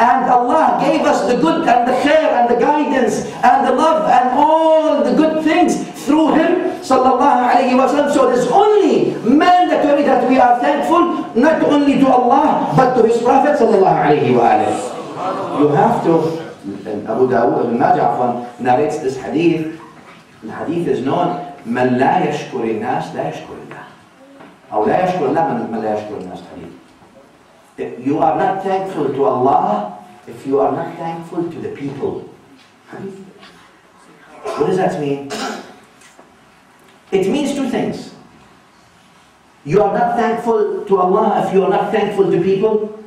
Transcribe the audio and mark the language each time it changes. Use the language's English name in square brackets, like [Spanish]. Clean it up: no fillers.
[English] And Allah gave us the good and the khair and the guidance and the love and all the good things through him sallallahu alayhi wa sallam. So it is only mandatory that we are thankful not only to Allah but to his prophet sallallahu alayhi wa sallam. You have to, and Abu Dawood ibn Majah narrates this hadith. The hadith is known, [Arabic] من لا يشكر الناس لا يشكر الله. أو لا يشكر الله من لا يشكر الناس حديث. [English] You are not thankful to Allah if you are not thankful to the people. What does that mean? It means two things. You are not thankful to Allah if you are not thankful to people.